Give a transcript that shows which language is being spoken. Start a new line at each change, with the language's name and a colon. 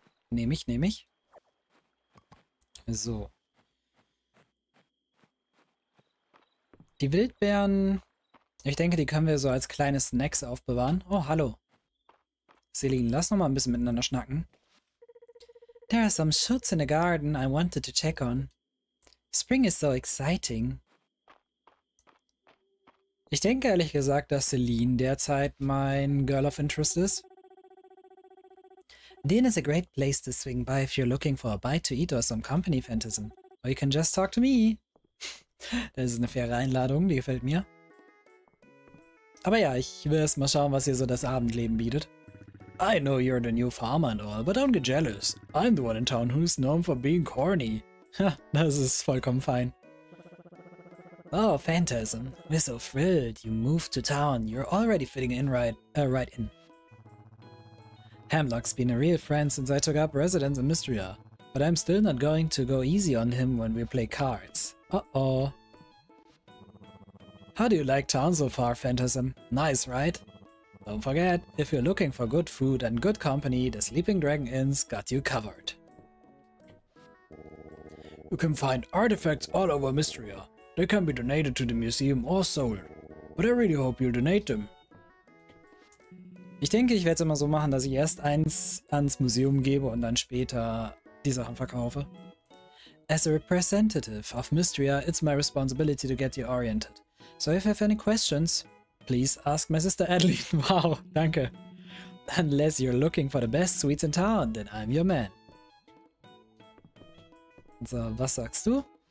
German: Nehme ich. So. Die Wildbeeren... Ich denke, die können wir so als kleine Snacks aufbewahren. Oh, hallo. Selin, lass noch mal ein bisschen miteinander schnacken.
English: There are some shoots in the garden I wanted to check on. Spring is so exciting.
German: Ich denke ehrlich gesagt, dass Selin derzeit mein Girl of Interest ist.
English: Dean is a great place to swing by if you're looking for a bite to eat or some company phantasm. Or you can just talk to me.
German: Das ist eine faire Einladung, die gefällt mir. Aber ja, ich will erst mal schauen, was hier so das Abendleben bietet.
English: I know you're the new farmer and all, but don't get jealous. I'm the one in town who's known for being corny.
German: Ha, das ist vollkommen fein.
English: Oh, Phantasm. We're so thrilled. You moved to town. You're already fitting in right in. Hemlock's been a real friend since I took up residence in Mystria. But I'm still not going to go easy on him when we play cards. Uh-oh. How do you like town so far, Phantasm? Nice, right? Don't forget, if you're looking for good food and good company, the Sleeping Dragon Inn's got you covered. You can find artifacts all over Mystria. They can be donated to the museum or sold. But I really hope you donate them.
German: Ich denke, ich werde es immer so machen, dass ich erst eins ans Museum gebe und dann später die Sachen verkaufe.
English: As a representative of Mystria, it's my responsibility to get you oriented. So if you have any questions, please ask my sister Adeline.
German: Wow, danke.
English: Unless you're looking for the best sweets in town, then I'm your man.
German: So, was sagst du?